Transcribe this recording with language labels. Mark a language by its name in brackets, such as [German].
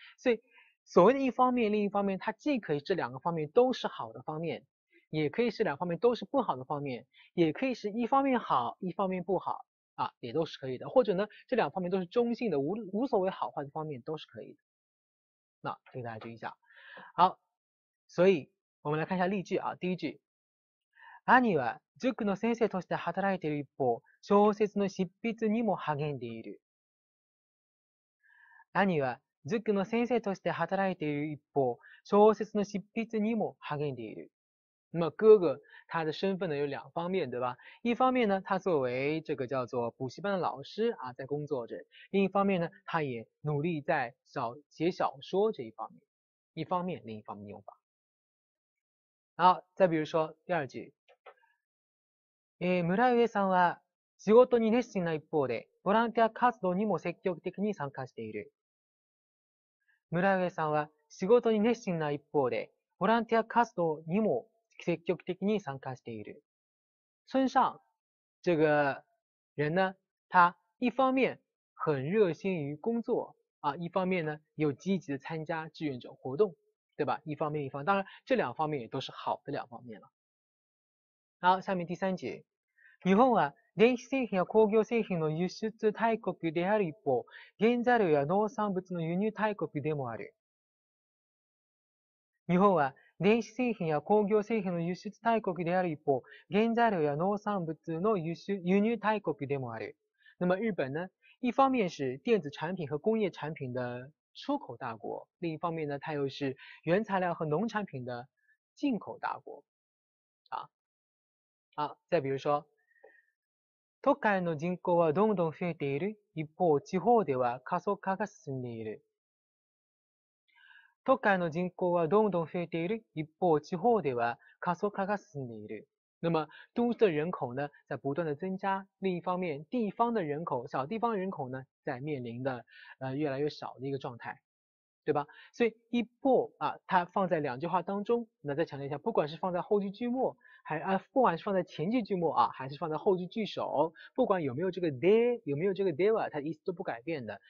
[Chinese] 所以，所谓的一方面，另一方面，它既可以是两个方面都是好的方面，也可以是两方面都是不好的方面，也可以是一方面好，一方面不好啊，也都是可以的。或者呢，这两方面都是中性的，无所谓好坏的方面都是可以的。那这个大家注意一下。好，所以我们来看一下例句啊。第一句， [Japanese] 兄は塾の先生として働いている一方、小説の執筆にも励んでいる。兄は塾の先生として働いている一方、小説の執筆にも励んでいる。 [Chinese] 那么哥哥他的身份呢有两方面，对吧？一方面呢，他作为这个叫做补习班的老师啊，在工作着；另一方面呢，他也努力在写小说这一方面。一方面，另一方面用法。好，再比如说第二句， [Japanese] 村上さんは仕事に熱心な一方で、ボランティア活動にも積極的に参加している。村上さんは仕事に熱心な一方で、ボランティア活動にも積極的に参加している。 [Chinese] 村上这个人呢，他一方面很热心于工作啊，一方面呢又积极的参加志愿者活动，对吧？当然这两方面也都是好的两方面了。好，下面第三节， [Japanese] 日本は電子製品や工業製品の輸出大国である一方、原材料や農産物の輸入大国でもある。日本は電子製品や工業製品の輸出大国である一方、原材料や農産物の輸入大国でもある。 [Chinese] 那么日本呢，一方面是电子产品和工业产品的出口大国，另一方面呢，它又是原材料和农产品的进口大国。再比如说， [Japanese] 都会の人口はどんどん増えている。一方、地方では過疎化が進んでいる。都会の人口はどんどん増えている。一方、地方では過疎化が進んでいる。 [Chinese] 那么，都市的人口呢，在不断的增加；另一方面，地方的人口，小地方人口呢，在面临的越来越少的一个状态，对吧？所以，一方啊，它放在两句话当中，那再强调一下，不管是放在后句句末。不管是放在前句句末啊，还是放在后句句首，不管有没有这个 there，有没有这个 there，它的意思都不改变的。